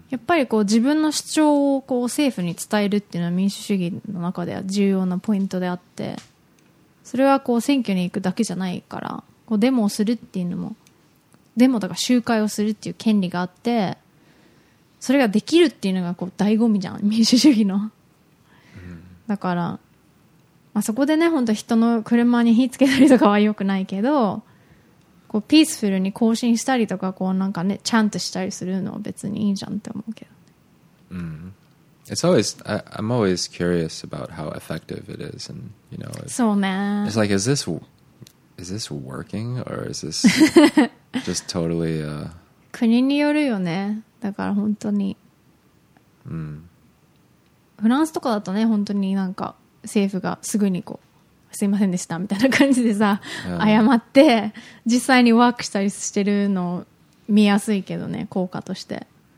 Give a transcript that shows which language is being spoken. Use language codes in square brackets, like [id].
[ja] やっぱりこう自分の主張をこう政府に伝えるっていうのは民主主義の中では重要なポイントであって、それはこう選挙に行くだけじゃないから、こうデモをするっていうのも、デモとか集会をするっていう権利があって、それができるっていうのがこう醍醐味じゃん、民主主義の。だから、まあ、そこでね、本当人の車に火つけたりとかは良くないけど、こうピースフルに更新したりとか、こうなんかね、ちゃんとしたりするのは別にいいじゃんって思うけど、ね。うん。 [en] It's always, I'm always curious about how effective it is, and you know, so man, it's like, is this working or is this just totally? [ja] 国によるよね。だから本当に、フランスとかだとね、本当になんか政府がすぐにこう、すいませんでしたみたいな感じでさ、謝って実際にワークしたりしてるのを見やすいけどね、効果として。